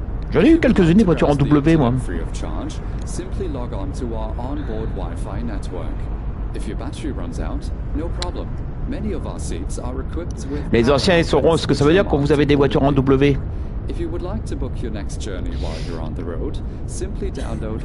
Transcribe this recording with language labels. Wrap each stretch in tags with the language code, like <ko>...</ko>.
<fr>J'en ai eu quelques-unes, des voitures en W, moi.</fr> <en>Simply log on to our onboard Wi-Fi network. If your battery runs out, no problem. Many of our seats are equipped with.</en> <fr>Les anciens sauront ce que ça veut dire quand vous avez des voitures en W.</fr> <en>If you would like to book your next journey while you're on the road, simply download.</en>